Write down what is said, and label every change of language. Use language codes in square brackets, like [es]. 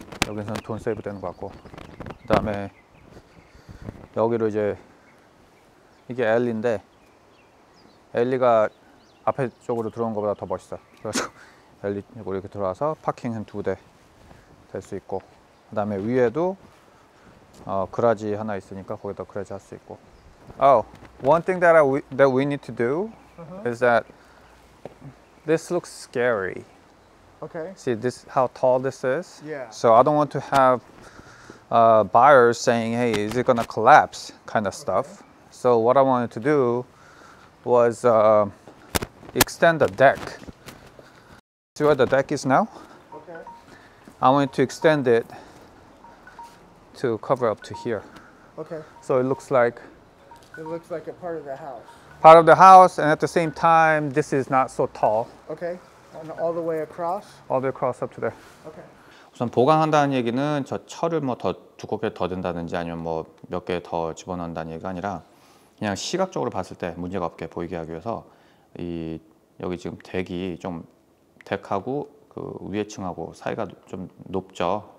[ko] 여기서는 돈 세이브 되는 것 같고 그 다음에 여기로 이제 이게 엘리인데 엘리가 앞에 쪽으로 들어온 것보다 더 멋있어. 그래서 엘리 이렇게 들어와서 파킹 한 두 대 될 수 있고 그 다음에 위에도 그라지 하나 있으니까 거기다 그라지 할 수 있고. [en] Oh, one thing that we need to do is that this looks scary. Okay. See this how tall this is. Yeah. So I don't want to have buyers saying, "Hey, is it gonna collapse?" kind of stuff. Okay. So what I wanted to do was extend the deck. See where the deck is now? Okay. I wanted to extend it to cover up to here. Okay. So it looks like... It looks like a part of the house. Part of the house, and at the same time, this is not so tall. Okay. And all the way across? All the way across up to there. Okay. [ko] 우선 보강한다는 얘기는 저 철을 뭐 더 두껍게 더 든다든지 아니면 뭐 몇 개 더 집어넣는다는 얘기가 아니라 그냥 시각적으로 봤을 때 문제가 없게 보이게 하기 위해서 이 여기 지금 덱이 좀 덱하고 그 위에 층하고 사이가 좀 높죠.